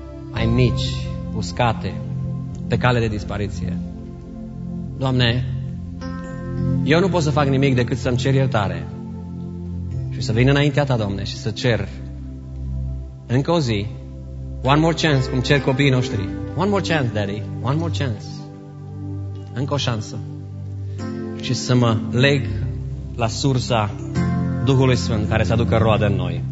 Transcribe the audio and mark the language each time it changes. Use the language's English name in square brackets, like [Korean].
[Romanian] Mai mici, uscate, pe cale de dispariție. Doamne, eu nu pot să fac nimic decât să-mi cer iertare și să vin înaintea Ta, Doamne, și să cer încă o zi, [English] one more chance, [Romanian] cum cer copiii noștri. [English] One more chance, Daddy, one more chance. [Romanian] Încă o șansă. Și să mă leg la sursa Duhului Sfânt care să aducă roadă în noi.